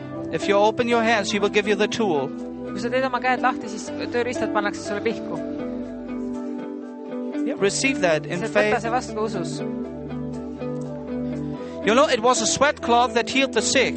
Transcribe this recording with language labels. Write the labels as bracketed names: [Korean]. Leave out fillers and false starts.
[English] If you open your hands, He will give you the tool. [Estonian] Kui sa teed oma käed lahti, siis tööriistad pannakse sulle pihku. [English] Yeah, receive that in faith. [Estonian] See vastu usus. [English] You know, it was a sweat cloth that healed the sick.